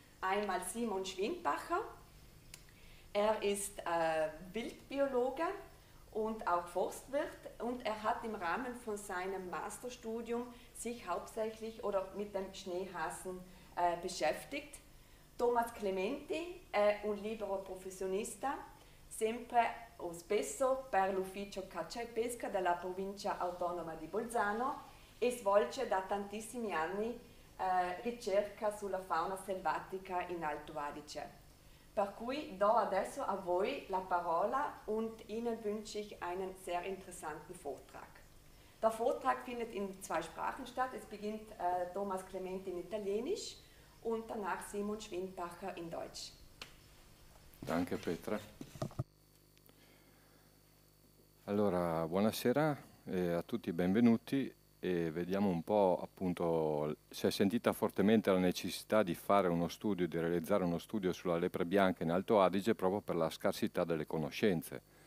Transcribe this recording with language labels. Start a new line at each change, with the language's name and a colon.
German: Einmal Simon Schwindbacher. Er ist Wildbiologe und auch Forstwirt, und er hat im Rahmen von seinem Masterstudium sich hauptsächlich oder mit dem Schneehasen beschäftigt.
Italian: Thomas Clementi, un libero professionista, sempre o spesso per l'ufficio caccia e pesca della provincia autonoma di Bolzano, e svolge da tantissimi anni ricerca sulla fauna selvatica in Alto Adige. Per cui do adesso a voi la parola
German: und Ihnen wünsche ich einen sehr interessanten Vortrag. Der Vortrag findet in zwei Sprachen statt. Es beginnt Thomas Clementi in Italienisch und danach Simon Schwindbacher in Deutsch. Danke, Petra.
Italian: Allora, buonasera a tutti, benvenuti. E vediamo un po', appunto, si è sentita fortemente la necessità di fare uno studio, di realizzare uno studio sulla lepre bianca in Alto Adige proprio per la scarsità delle conoscenze.